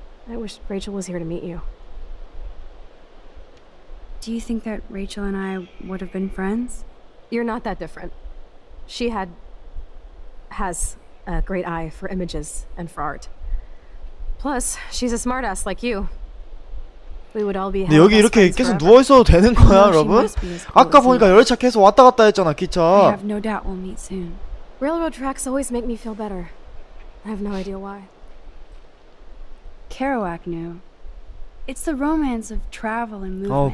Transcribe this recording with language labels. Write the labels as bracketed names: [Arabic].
[English] I wish Rachel was here to meet you. Do you think that Rachel and I would have been friends? You're not that different. She had has a great eye for images and for art. Plus, she's a smartass like you. [Korean] 근데 여기 이렇게 계속 누워 있어도 되는 거야, 여러분? 아까 보니까 열차 계속 왔다 갔다 했잖아, 기차. [English] I have no doubt we'll meet soon. Railroad tracks always make me feel better. I have no idea why. Kerouac knew. It's the romance of travel and movement.